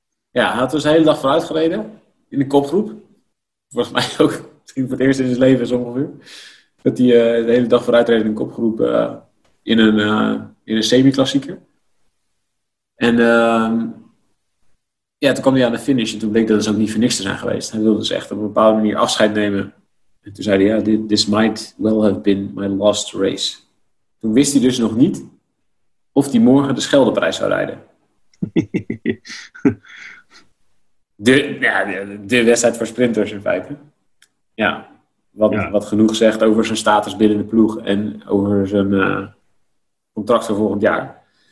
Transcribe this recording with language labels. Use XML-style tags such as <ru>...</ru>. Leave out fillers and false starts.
<nl>Ja, hij had dus de hele dag vooruit gereden in de kopgroep. Volgens mij ook misschien voor het eerst in zijn leven zo ongeveer. Dat hij de hele dag vooruit reed in een kopgroep in een semi-klassieker. En toen kwam hij aan de finish en toen bleek dat het ook niet voor niks te zijn geweest. Hij wilde dus echt op een bepaalde manier afscheid nemen. En toen zei hij,</nl> <en>this might well have been my last race.</en> <nl>Toen wist hij dus nog niet of hij morgen de Scheldeprijs zou rijden. De wedstrijd voor sprinters in feite. Ja. Wat genoeg zegt over zijn status binnen de ploeg en over zijn contract voor volgend jaar.</nl>